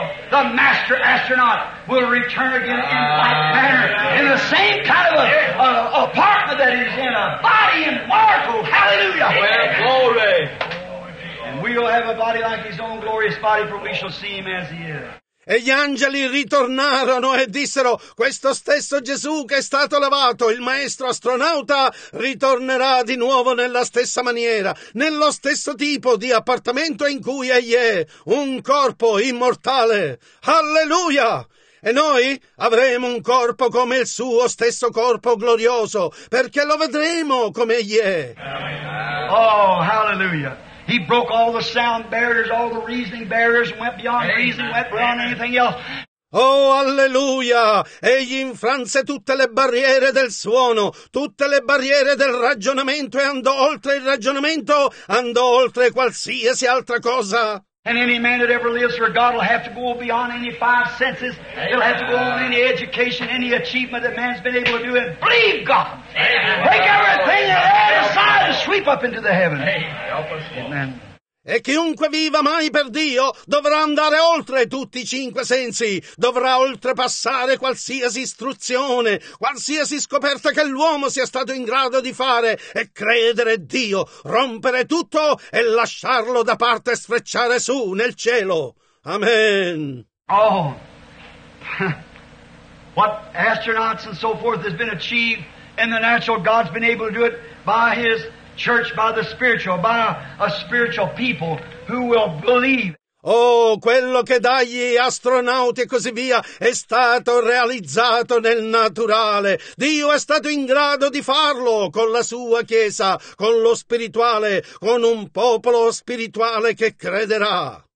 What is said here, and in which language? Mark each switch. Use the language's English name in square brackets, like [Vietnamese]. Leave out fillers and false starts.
[English] The master astronaut will return again in like manner, in the same kind of a apartment that he's in, a body in marble. Hallelujah. Well, glory. And we'll have a body like his own glorious body, for we shall see him as he is. [Italian] E gli angeli ritornarono e dissero: questo stesso Gesù che è stato levato, il maestro astronauta, ritornerà di nuovo nella stessa maniera, nello stesso tipo di appartamento in cui egli è, un corpo immortale. Alleluia! E noi avremo un corpo come il suo stesso corpo glorioso, perché lo vedremo come egli è. [English] Oh, hallelujah! He broke all the sound barriers, all the reasoning barriers, and went beyond reason, went beyond anything else. [Italian] Oh, alleluia! Egli infranse tutte le barriere del suono, tutte le barriere del ragionamento, e andò oltre il ragionamento, andò oltre qualsiasi altra cosa. [English] And any man that ever lives for God will have to go beyond any five senses. He'll have to go on any education, any achievement that man's been able to do, and believe God. Break everything and lay it aside and sweep up into the heavens. Amen. [Italian] E chiunque viva mai per Dio dovrà andare oltre tutti i cinque sensi, dovrà oltrepassare qualsiasi istruzione, qualsiasi scoperta che l'uomo sia stato in grado di fare, e credere Dio, rompere tutto e lasciarlo da parte e sfrecciare su nel cielo. Amen. [English] Oh, what astronauts and so forth has been achieved in the natural, God's been able to do it by his church, by the spiritual, by a spiritual people who will believe. [Italian] Oh, quello che dagli astronauti e così via è stato realizzato nel naturale. Dio è stato in grado di farlo con la sua chiesa, con lo spirituale, con un popolo spirituale che crederà.